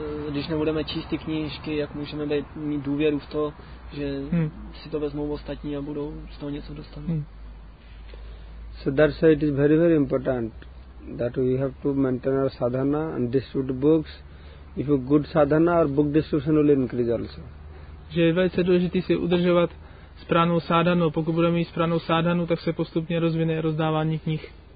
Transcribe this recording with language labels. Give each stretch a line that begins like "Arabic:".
Czech: Když nebudeme číst ty knížky, jak můžeme být, mít důvěru v to, že si to vezmou ostatní a budou z toho něco dostat.
English: So that's why it is very very important that we have to maintain our sadhana and distribute books. If you good sadhana, our book distribution will increase also.
Czech: Že je velice důležité si udržovat správnou sadhanu. Pokud budeme mít správnou sadhanu, tak se postupně rozvine rozdávání knih.